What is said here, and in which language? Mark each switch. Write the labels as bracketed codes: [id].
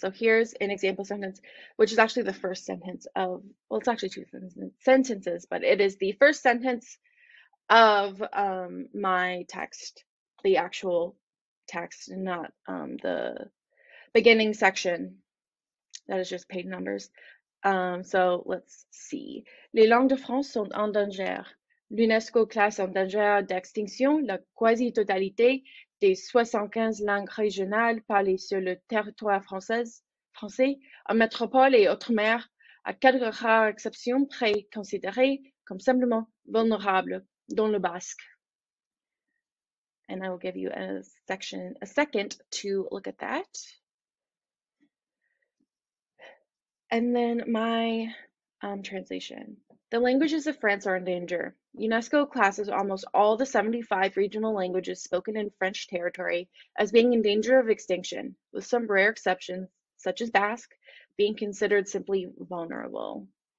[en] So here's an example sentence, which is actually the first sentence of, well, it's actually two sentences, but it is the first sentence of my text, the actual text, not the beginning section that is just page numbers. So let's see. [fr] Les langues de France sont en danger. L'UNESCO classe en danger d'extinction la quasi-totalité des 75 langues régionales parlées sur le territoire français, en métropole et outre-mer, à quelques rares exceptions près considérées comme simplement vulnérables, dans le Basque. [en] And I will give you a second to look at that. And then my translation. The languages of France are in danger. UNESCO classes almost all the 75 regional languages spoken in French territory as being in danger of extinction, with some rare exceptions, such as Basque, being considered simply vulnerable.